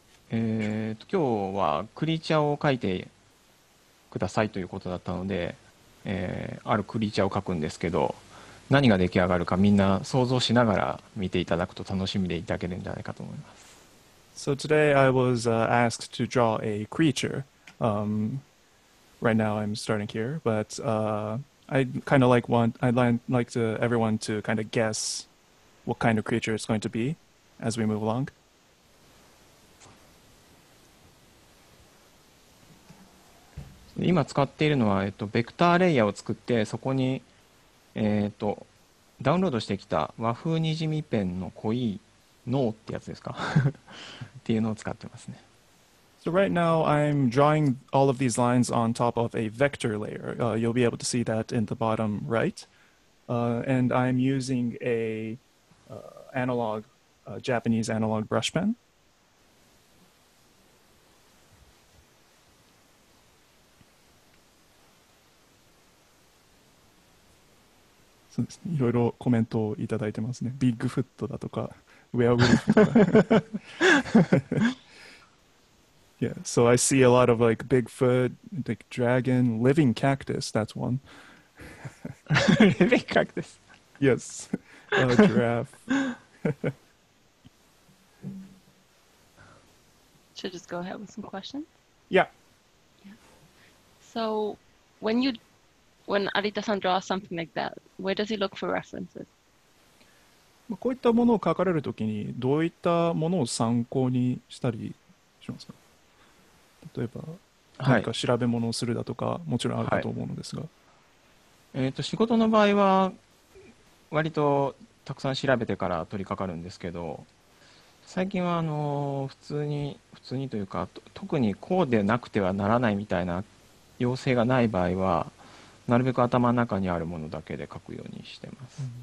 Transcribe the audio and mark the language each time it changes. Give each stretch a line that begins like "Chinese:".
Japanese: 今日はクリーチャーを描いてくださいということだったので、あるクリーチャーを描くんですけど、何が出来上がるかみんな想像しながら見ていただくと楽しみでいただけるんじゃないかと思います。
English: So today I was asked to draw a creature. Right now I'm starting here, but I'd like everyone to kind of guess what kind of creature it's going to be as we move along.
Japanese: So, 今使っているのは、ベクターレイヤーを作ってそこに、ダウンロードしてきた和風にじみペンの濃いノーってやつですかっていうのを使ってますね。
English: So right now I'm drawing all of these lines on top of a vector layer. You'll be able to see that in the bottom right. And I'm using a analog, Japanese analog brush pen.
Japanese: そうですね。いろいろコメントをいただいてますね。ビッグフットだとか、ウェアウルフとか。
English: Yeah, so I see a lot of like Bigfoot, like dragon, living cactus, that's one. Living cactus? Yes, a giraffe. Should I just go ahead with some questions? Yeah. So when Arita-san draws something like that, where does he look for references?
Japanese: こういったものを描かれるときにどういったものを参考にしたりしますか？例えば何か調べ物をするだとか、はい、もちろんあるかと思うのですが、はい、仕事の場合は割とたくさん調べてから取り掛かるんですけど、最近は普通にというか、特にこうでなくてはならないみたいな要請がない場合はなるべく頭の中にあるものだけで書くようにしてます。